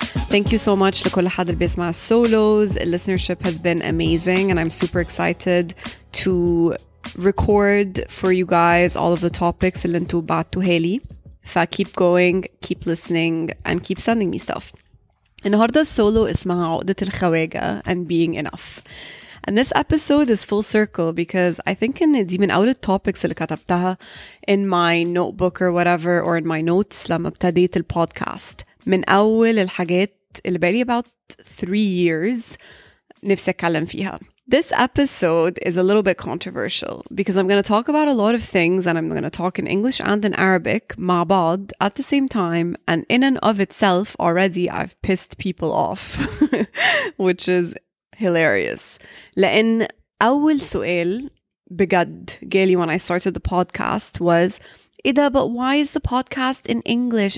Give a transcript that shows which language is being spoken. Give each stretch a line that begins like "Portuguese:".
English: Thank you so much
Arabic: لكل حد اللي بيسمع
English: solos. Listenership has been amazing and I'm super excited to record for you guys all of the topics
Arabic: اللي انتو بعتو هالي.
English: فا keep going, keep listening and keep sending me stuff.
Arabic: النهاردة السولو اسمها عقدة الخواجة
English: and being enough. And this episode is full circle because I think in
Arabic: دي من أول
English: topics
Arabic: اللي كتبتها
English: in my notebook or whatever or in my notes
Arabic: لما ابتديت البودكاست. من أول الحاجات اللي بقالي
English: about 3 years
Arabic: نفسي أتكلم فيها.
English: This episode is a little bit controversial because I'm going to talk about a lot of things and I'm going to talk in English and in Arabic
Arabic: مع بعض
English: at the same time, and in and of itself already I've pissed people off which is hilarious.
Arabic: لأن أول سؤال بجد جالي
English: when I started the podcast was
Arabic: إذا
English: but why is the podcast in English?